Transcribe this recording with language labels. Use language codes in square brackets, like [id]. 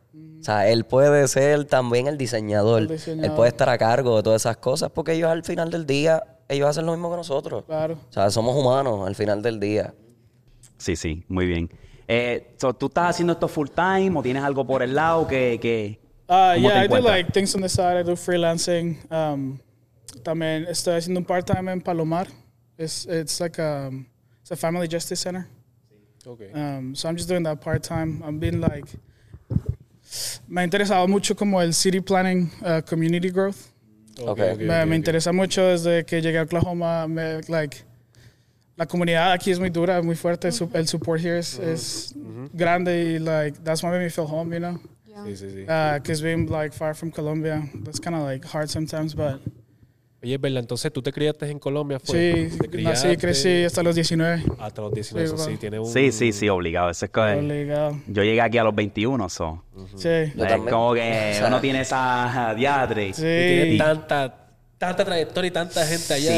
[es] Uh-huh. O sea, él puede ser también el diseñador. Él puede estar a cargo de todas esas cosas, porque ellos al final del día... Ellos hacen lo mismo que nosotros. Claro. O sea, somos humanos al final del día. Sí, sí. Muy bien. ¿Tú estás haciendo esto full time o tienes algo por el lado que [en] I do like things on the side. I do freelancing. [es] También estoy haciendo un part-time en Palomar. [en] It's a family justice center. Okay. So I'm just doing that part-time. I've been like... Me ha interesado mucho como el city planning, community growth. [es] Okay, me interesa mucho desde que llegué a Oklahoma. La comunidad aquí es muy dura, muy fuerte. Mm-hmm. El support here es mm-hmm. [en] grande y that's why me feel home, you know. Yeah. [es] Sí, sí, sí. [en] Being far from Colombia, that's kind of hard sometimes, but. [es] Oye, Bella, entonces tú te criaste en Colombia, ¿fue? Sí, nací, crecí hasta los 19. Hasta los 19, sí, tiene un... Sí, obligado. Eso es que obligado. Yo llegué aquí a los 21, ¿so? Uh-huh. Sí. Es como que uno tiene esa diadre. Sí. Y tiene tanta trayectoria y tanta gente allá.